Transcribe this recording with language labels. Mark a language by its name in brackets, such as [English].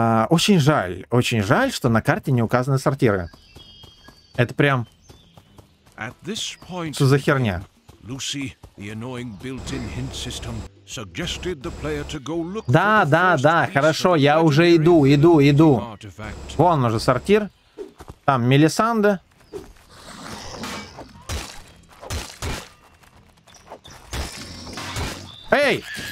[Russian] Очень жаль, что на карте не указаны сортиры. Это прям... Что за херня? [English] Lucy, the annoying built-in hint system, suggested the player to go look. [Russian] Да, да, да, хорошо, я уже иду, иду, иду. Вон уже сортир. Там Мелисанда. Эй!